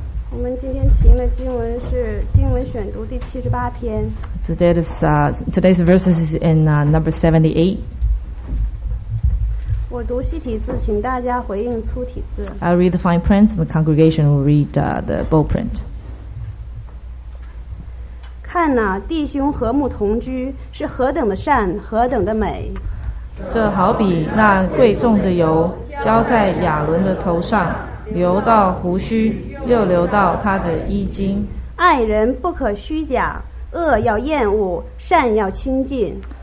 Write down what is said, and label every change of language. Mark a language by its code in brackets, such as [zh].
[zh] 我们今天行的经文是经文选读第七十八篇。 [en] Today's verse is in number 78. [zh] 我读细体字，请大家回应粗体字。 [en] I'll read the fine print, and the congregation will read the bold print. [zh] 看哪，弟兄和睦同居，是何等的善，何等的美。这好比那贵重的油浇在亚伦的头上，流到胡须，又流到他的衣襟。爱人不可虚假，恶要厌恶，善要亲近。